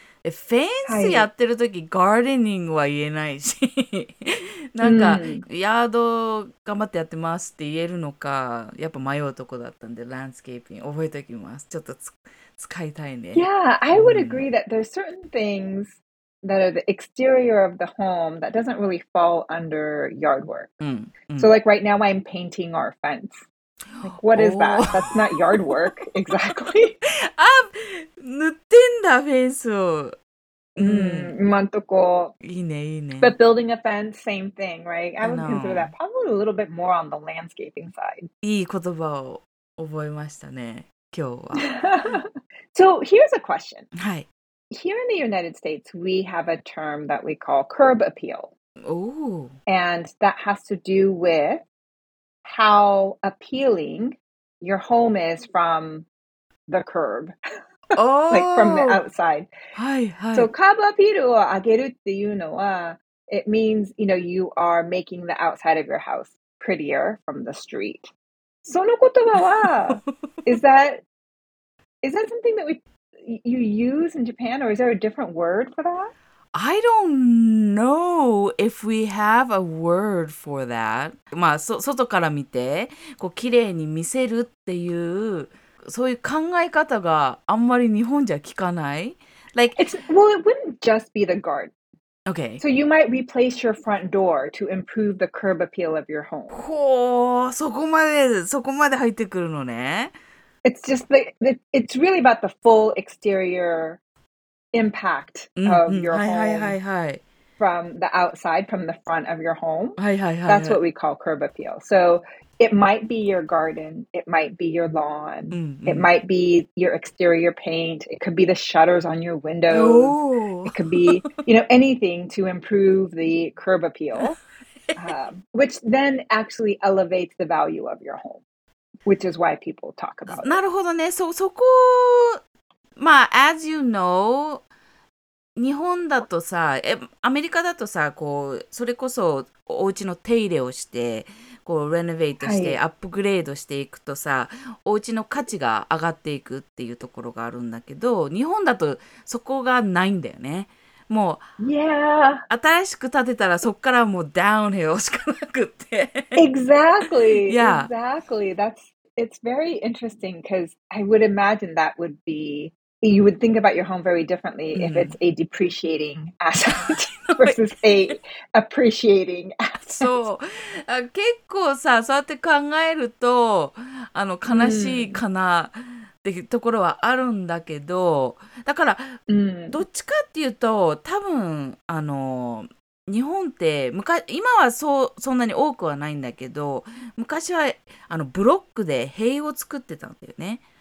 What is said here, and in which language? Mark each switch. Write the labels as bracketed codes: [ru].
[ja] フェンスやってる時、はい、ガーデニングは言えないしなんか、ヤード頑張ってやってますって言えるのかやっぱ迷うとこだったんでランスケーピング覚えておきます。ちょっとつ使いたいね。 [en] Yeah, I would agree that there's certain things that are the exterior of the home that doesn't really fall under yard work. So like right now I'm painting our fence. Like, what is that? That's not yard work, exactly. [ja] あ、塗ってんだ、フェンスを。今んとこ。いいね、いいね。 [en] But building a fence, same thing, right? I would consider that probably a little bit more on the landscaping side. [ja] いい言葉を覚えましたね、今日は。 [en] So here's a question. [ja] はい。 [en] Here in the United States, we have a term that we call curb appeal. Ooh. And that has to do with how appealing your home is from the curb. Oh. Like from the outside. [ja] はいはい。 [en] So, [ja] カーブアピールを上げるっていうのは、 [en] it means, you know, you are making the outside of your house prettier from the street. [ja] その言葉は、 [en] is that something that you use in Japan, or is there a different word for that? I don't know if we have a word for that. [ja] まあ、外から見て、こう、綺麗に見せるっていう、そういう考え方があんまり日本じゃ聞かない。 [en] Like, well, it wouldn't just be the garden. Okay. So you might replace your front door to improve the curb appeal of your home. [ja] ほー、そこまで入ってくるのね。 [en] It's just like, it's really about the full exterior impact of your home. [ja] はいはいはい。 [en] From the outside, from the front of your home. [ja] はいはいはい。 [en] That's what we call curb appeal. So it might be your garden, it might be your lawn, it might be your exterior paint, it could be the shutters on your windows, it could be, you know, anything to improve the curb appeal, which then actually elevates the value of your home, which is why people talk about [ja] it. なるほどね。そこ、まあ、 [en] as you know, [ja] 日本だとさ、アメリカだとさ、こう、それこそお家の手入れをして、こうレノベートしてアップグレードしていくとさ、はい、お家の価値が上がっていくっていうところがあるんだけど、日本だとそこがないんだよね。もう、 [en] yeah. [ja] 新しく建てたらそこからもうダウンヒルしかなくって。 [en] Exactly. Yeah. Exactly. It's very interesting because I would imagine that would be you would think about your home very differently if it's a depreciating asset. versus a appreciating asset. [ja] そう。結構さ、そうやって考えると、悲しいかなってところはあるんだけど、だから、どっちかっていうと、多分、日本って、今はそんなに多くはないんだけど、昔は、ブロックで塀を作ってたんだよね。